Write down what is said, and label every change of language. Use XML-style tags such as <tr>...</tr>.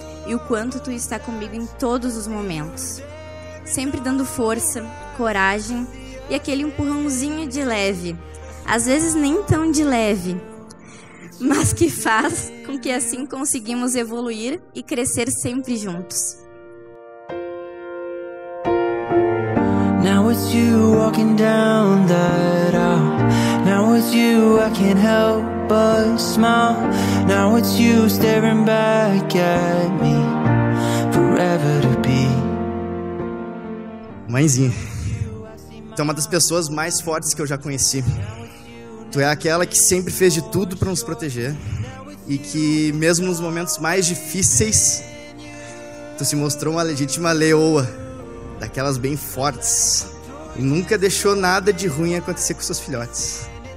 <pt>e o quanto Tu está comigo em todos os momentos. Sempre dando força, coragem e aquele empurrãozinho de leve. Às vezes nem tão de leve, mas que faz com que assim conseguimos evoluir e crescer sempre juntos.</pt> <en>Now it's you walking down that aisle. Now it's you, I can't help but smile. Now it's you staring back at me, forever to be.</en> <pt>Mãezinha, tu é uma das pessoas mais fortes que eu já conheci. Tu é aquela que sempre fez de tudo para nos proteger e que, mesmo nos momentos mais difíceis, tu se mostrou uma legítima leoa, daquelas bem fortes, e nunca deixou nada de ruim acontecer com seus filhotes.</pt>